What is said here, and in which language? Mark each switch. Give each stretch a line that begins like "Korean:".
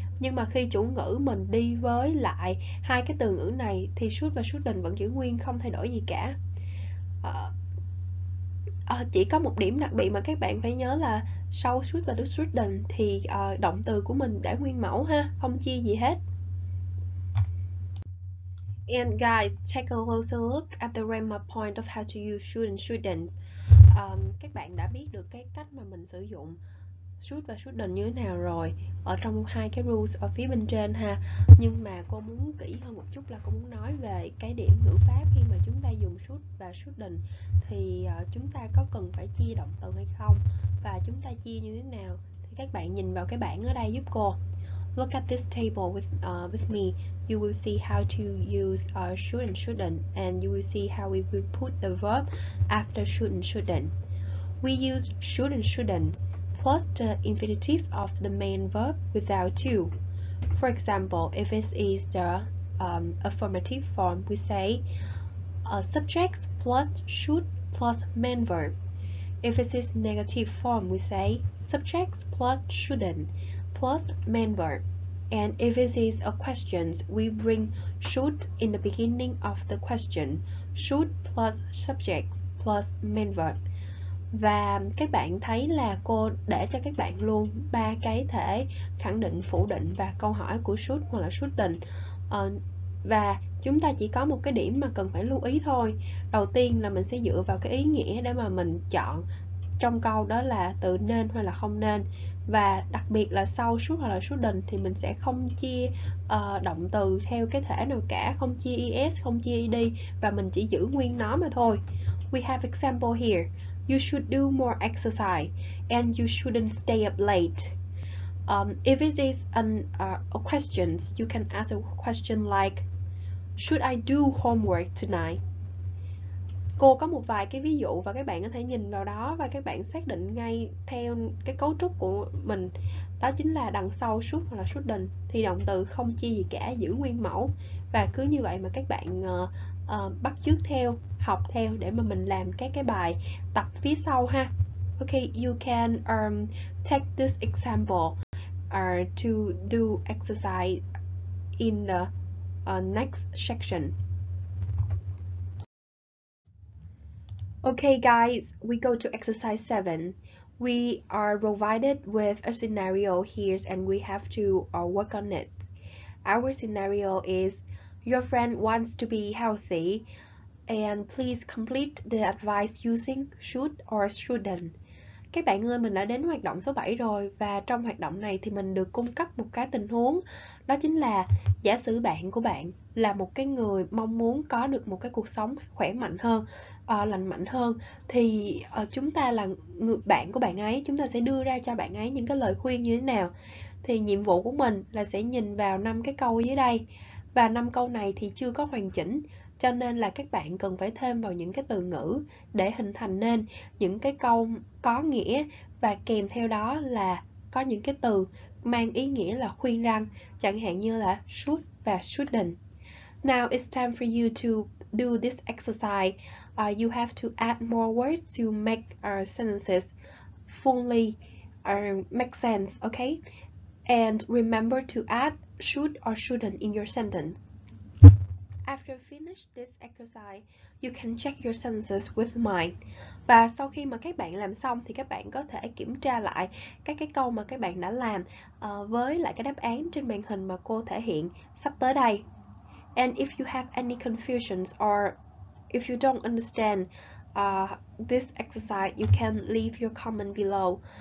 Vietnamese: Nhưng mà khi chủ ngữ mình đi với lại hai cái từ ngữ này thì should và shouldn't vẫn giữ nguyên, không thay đổi gì cả. Chỉ có một điểm đặc biệt mà các bạn phải nhớ là sau should và shouldn't thì động từ của mình đã nguyên mẫu ha, không chia gì hết.
English: And guys, take a closer look at the grammar point of how to use should and shouldn't.
Vietnamese: Các bạn đã biết được cái cách mà mình sử dụng should và shouldn't như thế nào rồi ở trong hai cái rules ở phía bên trên ha. Nhưng mà cô muốn kỹ hơn một chút là cô muốn nói về cái điểm ngữ pháp khi mà chúng ta dùng should và shouldn't, thì chúng ta có cần phải chia động từ hay không và chúng ta chia như thế nào. Thì các bạn nhìn vào cái bảng ở đây giúp cô.
English: Look at this table with me. You will see how to use should and shouldn't, and you will see how we will put the verb after should and shouldn't. We use should and shouldn't plus the infinitive of the main verb without to. For example, if it is the affirmative form, we say subject plus should plus main verb. If it is negative form, we say subject plus shouldn't plus main verb. And if it is a question, we bring should in the beginning of the question. Should plus subject plus main verb.
Vietnamese: Và các bạn thấy là cô để cho các bạn luôn ba cái thể khẳng định, phủ định và câu hỏi của should hoặc là shouldn't. Và chúng ta chỉ có một cái điểm mà cần phải lưu ý thôi. Đầu tiên là mình sẽ dựa vào cái ý nghĩa để mà mình chọn trong câu đó là từ nên hay là không nên. Và đặc biệt là sau should hoặc là shouldn't thì mình sẽ không chia động từ theo cái thể nào cả, không chia es, không chia ed, và mình chỉ giữ nguyên nó mà thôi.
English: We have example here. You should do more exercise and you shouldn't stay up late. If it is a question, you can ask a question like, should I do homework tonight?
Vietnamese: Cô có một vài cái ví dụ và các bạn có thể nhìn vào đó và các bạn xác định ngay theo cái cấu trúc của mình. Đó chính là đằng sau should hoặc là shouldn't thì động từ không chia gì cả, giữ nguyên mẫu. Và cứ như vậy mà các bạn bắt chước theo, học theo để mà mình làm cái bài tập phía sau ha.
English: Okay, you can take this example to do exercise in the next section. Okay guys, we go to exercise 7. We are provided with a scenario here and we have to work on it. Our scenario is your friend wants to be healthy and please complete the advice using should or shouldn't.
Vietnamese: Các bạn ơi, mình đã đến hoạt động số 7 rồi và trong hoạt động này thì mình được cung cấp một cái tình huống, đó chính là giả sử bạn của bạn là một cái người mong muốn có được một cái cuộc sống khỏe mạnh hơn, lành mạnh hơn, thì chúng ta là người bạn của bạn ấy, chúng ta sẽ đưa ra cho bạn ấy những cái lời khuyên như thế nào. Thì nhiệm vụ của mình là sẽ nhìn vào năm cái câu dưới đây. Và năm câu này thì chưa có hoàn chỉnh, cho nên là các bạn cần phải thêm vào những cái từ ngữ để hình thành nên những cái câu có nghĩa và kèm theo đó là có những cái từ mang ý nghĩa là khuyên răng, chẳng hạn như là should và shouldn't.
English: Now it's time for you to do this exercise. You have to add more words to make our sentences fully make sense, okay? And remember to add should or shouldn't in your sentence. After finish this exercise, you can check your sentences with mine.
Vietnamese: Và sau khi mà các bạn làm xong thì các bạn có thể kiểm tra lại các cái câu mà các bạn đã làm với lại cái đáp án trên màn hình mà cô thể hiện sắp tới đây.
English: And if you have any confusions or if you don't understand this exercise, you can leave your comment below.